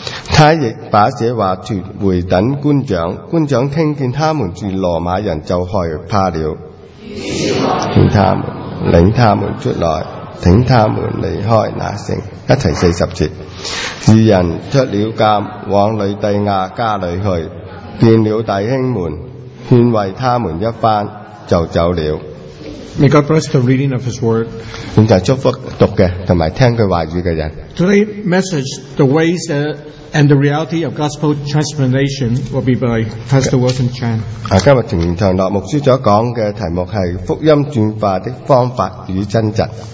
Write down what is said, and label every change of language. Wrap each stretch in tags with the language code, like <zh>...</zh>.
<yue>他亦把這話傳回等官長，官長聽見他們是羅馬人就害怕了，叫他們領他們出來，請他們離開那城。一齊四十節。二人出了監，往裏第亞家裏去，見了弟兄們，勸慰他們一番，就走了。</yue> <en>May God bless the reading of His Word.</en> <yue>現在祝福讀嘅同埋聽佢話語嘅人。</yue> <en>Today's message, the ways and the reality of gospel transformation will be by Pastor Wilson Chan.</en> <yue>今日程長樂牧師所講嘅題目係福音轉化的方法與掙扎。</yue>